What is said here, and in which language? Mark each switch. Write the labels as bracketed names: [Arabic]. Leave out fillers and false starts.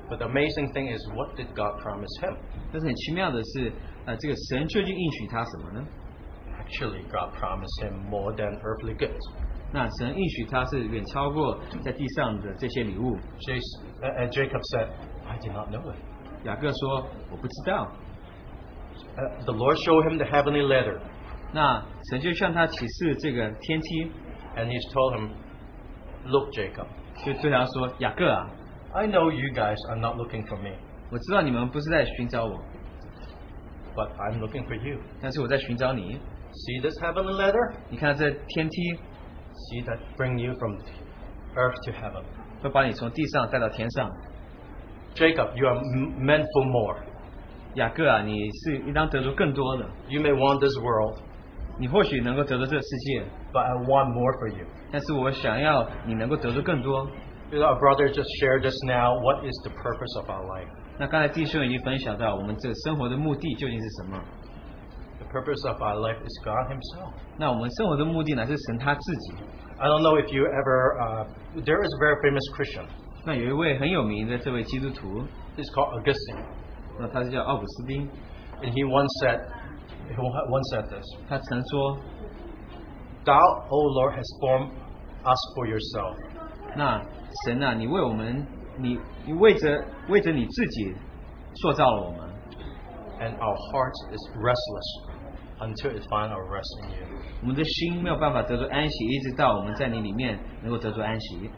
[English] But the amazing thing is, what did God promise him? [Chinese] 但是很奇妙的是, 这个神究竟应许他什么呢? [English] Actually, God promised him more than earthly goods. [Chinese] 那神应许他是远超过在地上的这些礼物。 [English] And Jacob said, I did not know it. [Chinese] 雅各说, 我不知道。 [English] The Lord showed him the heavenly ladder. [Chinese] 那神就向他启示这个天梯。 [English] And he told him, Look, Jacob. [Chinese] 就对他说, 雅各啊, [English] I know you guys are not looking for me. [Chinese] 我知道你们不是在寻找我, [English] but I'm looking for you. [Chinese] 但是我在寻找你。 [English] See this heavenly ladder? [Chinese] 你看这天梯? [English] See that bring you from earth to heaven. [Chinese] 会把你从地上带到天上。 [English] Jacob, you are meant for more. [Chinese] 雅各啊, 你是应当得到更多的。 [English] You may want this world. [Chinese] 你或许能够得到这个世界。 [English] But I want more for you. [Chinese] 但是我想要你能够得到更多。 [English] You know, our brother just shared just now, what is the purpose of our life? [Chinese] 那刚才弟兄已经分享到我们这生活的目的究竟是什么。 [English] The purpose of our life is God himself. [Chinese] 那我们生活的目的乃是神他自己。 [English] I don't know if you ever, there is a very famous Christian. [Chinese] 那有一位很有名的这位基督徒。 [English] He's called Augustine. [Chinese] 那他叫奥古斯丁。 [English] And he once said this. [Chinese] 他曾说, [English] Thou, O Lord, has formed us for yourself. [Chinese] 那神啊, 你为我们, 你为着你自己塑造了我们。 [English] And our heart is restless until it finds our rest in you. [Chinese] 我们的心没有办法得到安息, 一直到我们在你里面能够得到安息。